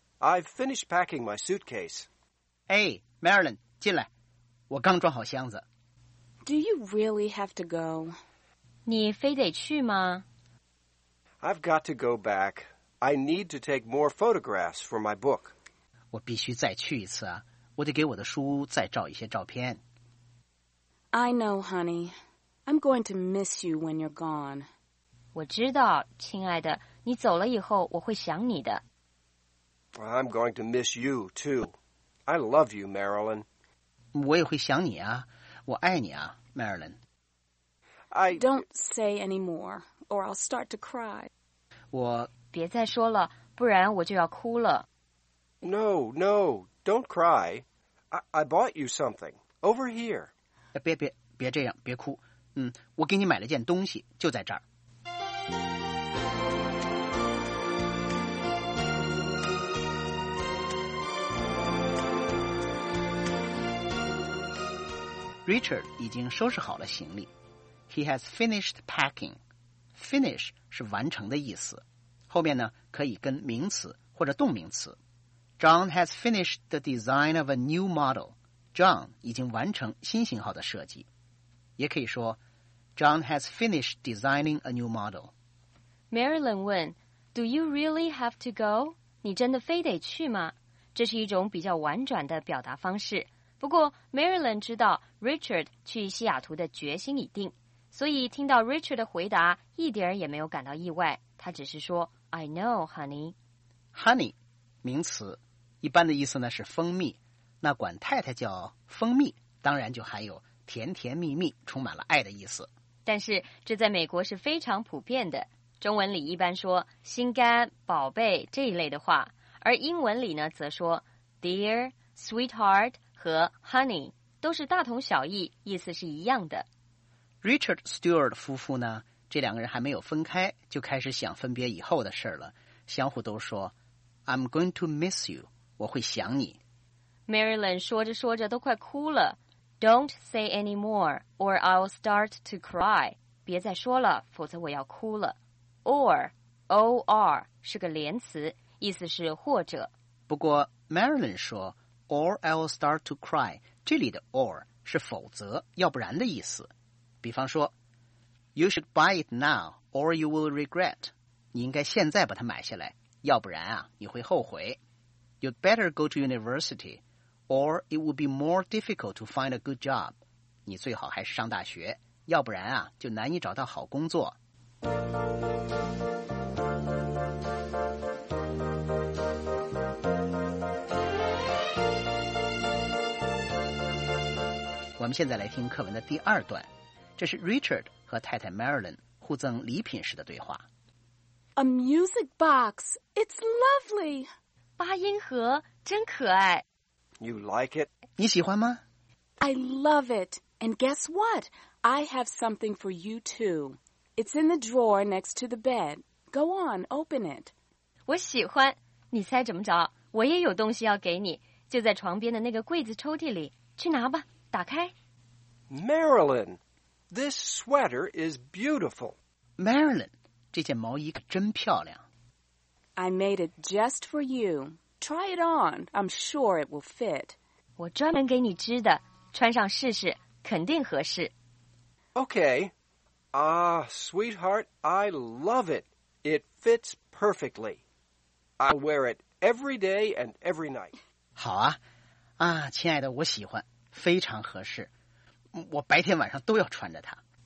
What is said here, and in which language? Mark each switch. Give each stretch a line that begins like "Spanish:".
English: I've finished packing my suitcase.
Chinese: Hey, Marilyn, 进来，我刚装好箱子。
English: Do you really have to go?
Chinese: 你非得去吗？
English: I've got to go back. I need to take more photographs for my book.
Chinese: 我必须再去一次啊！我得给我的书再照一些照片。
English: I know, honey. I'm going to miss you when you're gone.
Chinese: 我知道，亲爱的，你走了以后我会想你的。
English: I'm going to miss you, too. I love you, Marilyn.
Chinese: 我也会想你啊，我爱你啊，Marilyn.
English: I... Don't say any more, or I'll start to cry.
Chinese: 我别再说了，不然我就要哭了。
English: No, no, don't cry. I bought you something. Over here.
Chinese: 别这样，别哭。我给你买了件东西，就在这儿。 Richard 已经收拾好了行李。
English: He has finished packing.
Chinese: Finish 是完成的意思，后面呢，可以跟名词或者动名词。
English: John has finished the design of a new model.
Chinese: John 已经完成新型号的设计。也可以说
English: John has finished designing a new model. Marilyn 问 Do you really have to go?
Chinese: 你真的非得去吗？这是一种比较婉转的表达方式。不过 Marilyn 知道 Richard 去西雅图的决心已定，所以听到 Richard 的回答一点也没有感到意外。他只是说
English: I know, honey.
Chinese: Honey名词，一般的意思呢是蜂蜜，那管太太叫蜂蜜，当然就含有甜甜蜜蜜，充满了爱的意思。但是这在美国是非常普遍的，中文里一般说心肝、宝贝这一类的话，而英文里呢则说 dear、sweetheart 和 honey 都是大同小异，意思是一样的。 Richard Stewart 夫妇呢，这两个人还没有分开，就开始想分别以后的事了，相互都说
English: I'm going to miss you.
Chinese: 我会想你。 Marilyn 说着说着都快哭了。
English: Don't say any more, or I'll start to cry.
Chinese: 别再说了，否则我要哭了。Or 是个连词，意思是或者。不过 Marilyn 说
English: or I'll start to cry.
Chinese: 这里的 or 是否则，要不然的意思。比方说
English: ，You should buy it now, or you will regret.
Chinese: 你应该现在把它买下来。要不然啊，你会后悔。
English: You'd better go to university, or it would be more difficult to find a good job.
Chinese: 你最好还是上大学，要不然啊，就难以找到好工作。我们现在来听课文的第二段，这是 Richard 和太太 Marilyn 互赠礼品时的对话。
English: A music box. It's lovely.
Chinese: 八音盒真可爱。
English: You like it?
Chinese: 你喜欢吗？
English: I love it. And guess what? I have something for you too. It's in the drawer next to the bed. Go on, open it.
Chinese: 我喜欢。你猜怎么着？我也有东西要给你，就在床边的那个柜子抽屉里。去拿吧，打开。
English: Marilyn, this sweater is beautiful.
Chinese: Marilyn. 这件毛衣可真漂亮。
English: I made it just for you. Try it on. I'm sure it will fit.
Chinese: 我专门给你织的，穿上试试，肯定合适。
English: Okay. Sweetheart, I love it. It fits perfectly. I'll wear it every day and every night.
Chinese: 好啊。亲爱的，我喜欢，非常合适。我白天晚上都要穿着它。